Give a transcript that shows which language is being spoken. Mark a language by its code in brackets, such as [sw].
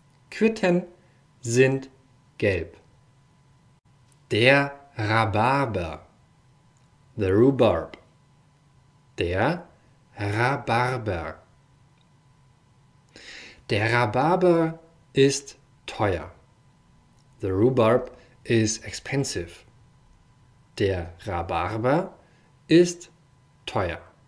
[de] Quitten sind gelb. Der Rhabarber. [en] The rhubarb. [de] Der Rhabarber. Der Rhabarber ist teuer. [en] The rhubarb is expensive. [de] Der Rhabarber ist teuer.